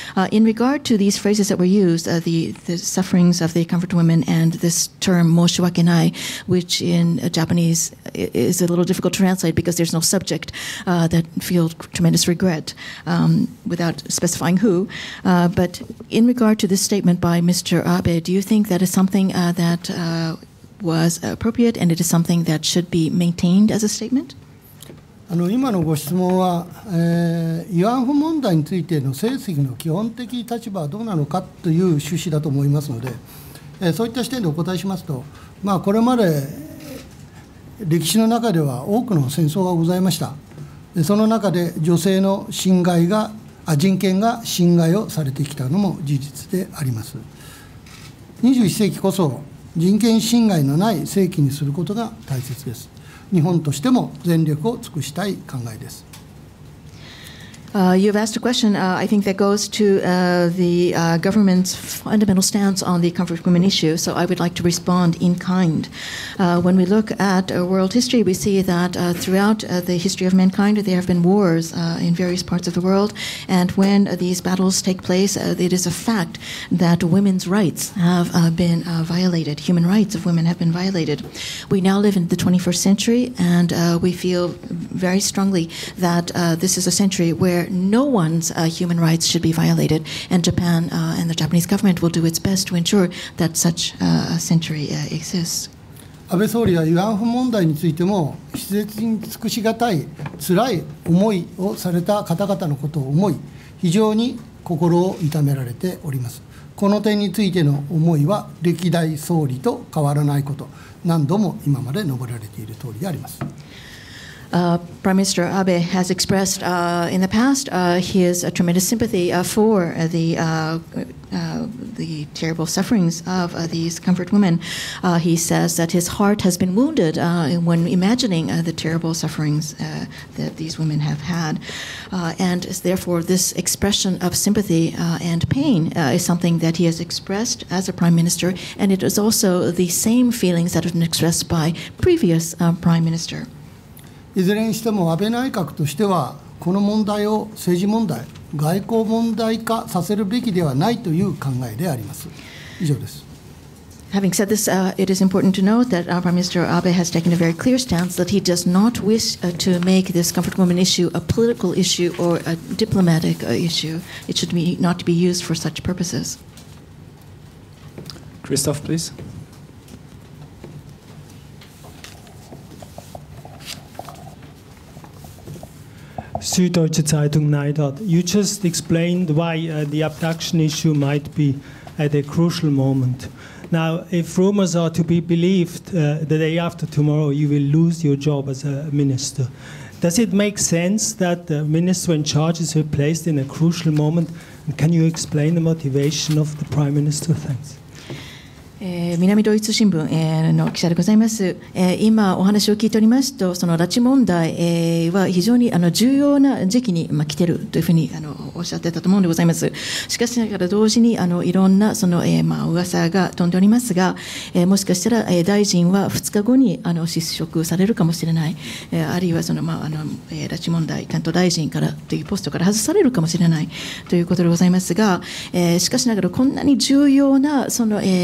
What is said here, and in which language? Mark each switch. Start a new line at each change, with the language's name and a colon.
English: In regard to these phrases that were used, the sufferings of the comfort women and this term moshiwakenai, which in Japanese is a little difficult to translate because there's no subject that feel tremendous regret without specifying who. But in regard to this statement by Mr. Abe, do you think that is something that was appropriate and it is something that should be maintained as a statement?
Japanese: 今のご質問は、慰安婦問題についての政治の基本的立場はどうなのかという趣旨だと思いますので、そういった視点でお答えしますと、まあ、これまで歴史の中では多くの戦争がございました。その中で女性の人権が侵害をされてきたのも事実であります。 21世紀こそ人権侵害のない世紀にすることが大切です。日本としても全力を尽くしたい考えです。
English: You've asked a question, I think that goes to the government's fundamental stance on the comfort women issue, so I would like to respond in kind. When we look at world history, we see that throughout the history of mankind, there have been wars in various parts of the world, and when these battles take place, it is a fact that women's rights have been violated, human rights of women have been violated. We now live in the 21st century, and we feel very strongly that this is a century where no one's human rights should be violated, and Japan and the Japanese government will do its best to ensure that such a century exists.
Japanese: 安倍総理は慰安婦問題についても施設に尽くしがたい辛い思いをされた方々のことを思い、非常に心を痛められております。この点についての思いは歴代総理と変わらないこと、何度も今まで述べられている通りであります。
English: Prime Minister Abe has expressed in the past his tremendous sympathy for the terrible sufferings of these comfort women. He says that his heart has been wounded when imagining the terrible sufferings that these women have had. And therefore, this expression of sympathy and pain is something that he has expressed as a prime minister. And it is also the same feelings that have been expressed by previous prime minister.
Japanese: いずれにしても安倍内閣としてはこの問題を政治問題、外交問題化させるべきではないという考えであります。以上です。
English: Having said this, it is important to note that our Prime Minister Abe has taken a very clear stance that he does not wish to make this comfort women issue a political issue or a diplomatic issue. It should not be used for such purposes. Christoph, please. Süddeutsche Zeitung Neidhardt. You just explained why the abduction issue might be at a crucial moment. Now, if rumors are to be believed, the day after tomorrow you will lose your job as a minister. Does it make sense that the minister in charge is replaced in a crucial moment? And can you explain the motivation of the Prime Minister? Thanks.
Japanese: 南ドイツ新聞の記者でございます。今お話を聞いておりますと、その拉致問題は非常に重要な時期に来ているというふうにおっしゃってたと思うんでございます。しかしながら同時にいろんなその噂が飛んでおりますが、もしかしたら大臣は2日後に失職されるかもしれない、あるいはその拉致問題担当大臣からというポストから外されるかもしれないということでございますが、しかしながらこんなに重要なその